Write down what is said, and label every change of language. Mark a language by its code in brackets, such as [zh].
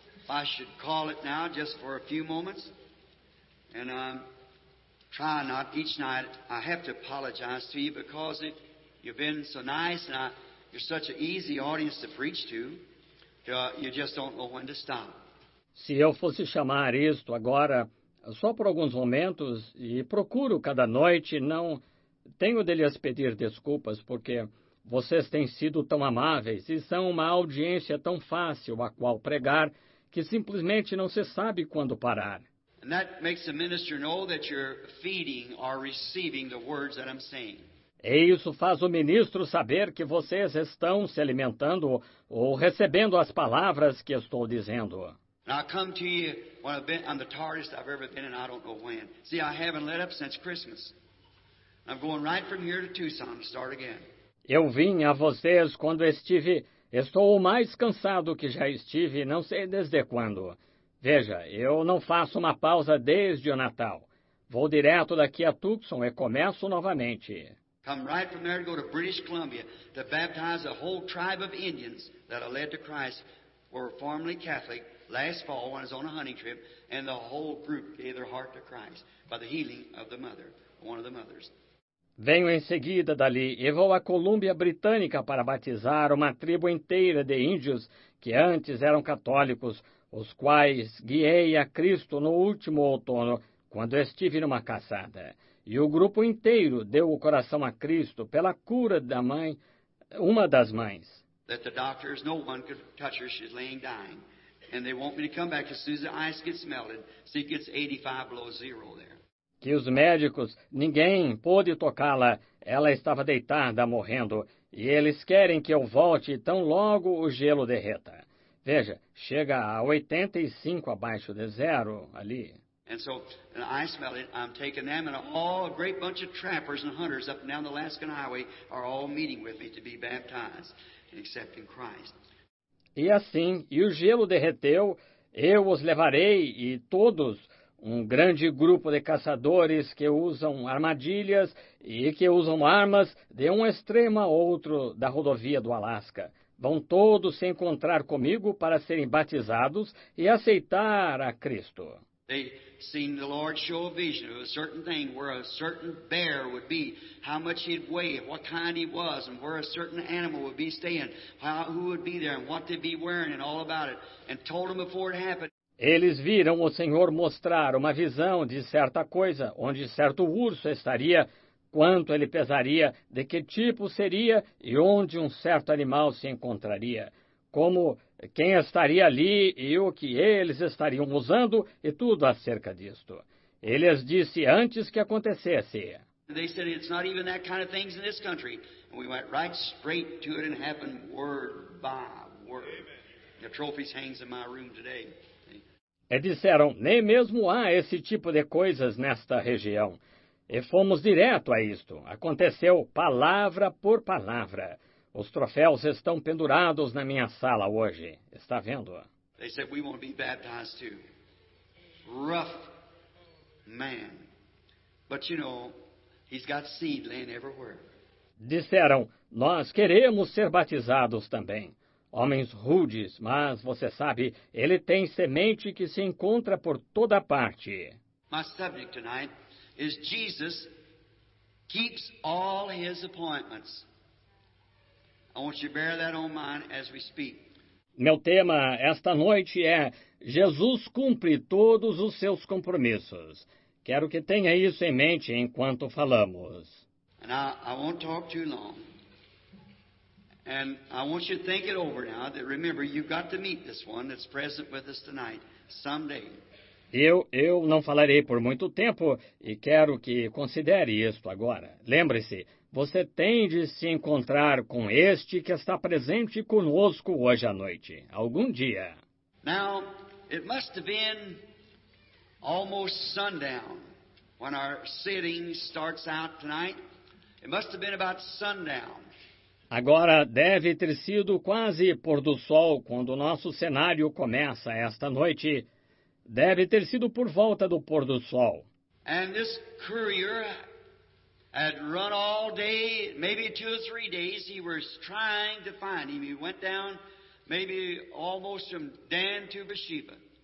[en] I should call it now just for a few moments, and try not each night. I have to apologize to you because you've been so nice and you're such an easy audience to preach to. You just don't know when to stop. [pt] Se eu fosse chamar isto agora só por alguns momentos e procuro cada noite, não tenho de lhes pedir desculpas porque vocês têm sido tão amáveis e são uma audiência tão fácil a qual pregar que simplesmente não se sabe quando parar. [en] And that makes the minister know that you're feeding or receiving the words that I'm saying. [pt] E isso faz o ministro saber que vocês estão se alimentando ou recebendo as palavras que estou dizendo. [en] Now I come to you when I've been on the tardiest I've ever been, and I don't know when. See, I haven't let up since Christmas. I'm going right from here to Tucson to start again. [pt] Eu vim a vocês quando estou o mais cansado que já estive, não sei desde quando. Veja, eu não faço uma pausa desde o Natal. Vou direto daqui a Tucson e começo novamente. [en] Come right from there to go to British Columbia to baptize a whole tribe of Indians that are led to Christ were formerly Catholic last fall when I was on a hunting trip, and the whole group gave their heart to Christ by the healing of the mother, one of the mothers. [pt] Venho em seguida dali e vou à Colúmbia Britânica para batizar uma tribo inteira de índios que antes eram católicos, os quais guiei a Cristo no último outono, quando estive numa caçada. E o grupo inteiro deu o coração a Cristo pela cura da mãe, uma das mães. [en] That the doctors, no one could touch her, she's laying dying. And they want me to come back as soon as the ice gets melted, so it gets 85 below zero there. [pt] Que os médicos, ninguém pôde tocá-la, ela estava deitada, morrendo, e eles querem que eu volte tão logo o gelo derreta. Veja, chega a 85 abaixo de zero ali. [en] And so, and I smell it, I'm taking them and all a great bunch of trappers and hunters up and down the Alaskan Highway are all meeting with me to be baptized and accepting Christ. [pt] E assim, e o gelo derreteu, eu os levarei e todos, um grande grupo de caçadores que usam armadilhas e que usam armas de um extremo a outro da rodovia do Alasca. Vão todos se encontrar comigo para serem batizados e aceitar a Cristo. [en] They seen the Lord show a vision of a certain thing where a certain bear would be, how much he'd weigh, what kind he was, and where a certain animal would be staying, who would be there, and what they'd be wearing, and all about it, and told them before it happened. [pt] Eles viram o Senhor mostrar uma visão de certa coisa, onde certo urso estaria, quanto ele pesaria, de que tipo seria e onde um certo animal se encontraria, como quem estaria ali e o que eles estariam usando e tudo acerca disto. Eles disse antes que acontecesse. [en] They said it's not even that kind of things in this country. And we went right straight to it and happened word by word. Amen. The trophies hangs in my room today. [pt] E disseram, nem mesmo há esse tipo de coisas nesta região. E fomos direto a isto. Aconteceu palavra por palavra. Os troféus estão pendurados na minha sala hoje. Está vendo? [en] They said we want to be baptized too. Rough man. But you know, he's got seed laying everywhere. [pt] Disseram, nós queremos ser batizados também. Homens rudes, mas você sabe, ele tem semente que se encontra por toda parte. [en] My subject tonight is Jesus keeps all his appointments. I want you to bear that on mind as we speak. [pt] Meu tema esta noite é Jesus cumpre todos os seus compromissos. Quero que tenha isso em mente enquanto falamos. [en] And I won't talk too long. And I want you to think it over now, that remember, you've got to meet this one that's present with us tonight, someday. [pt] Eu não falarei por muito tempo e quero que considere isto agora. Lembre-se, você tem de se encontrar com este que está presente conosco hoje à noite, algum dia. [en] Now, it must have been almost sundown when our sitting starts out tonight. It must have been about sundown. [pt] Agora, deve ter sido quase pôr do sol quando o nosso cenário começa esta noite. Deve ter sido por volta do pôr do sol. [en] And this courier had run all day, maybe two or three days, he was trying to find him. He went down maybe almost from Dan to Beersheba.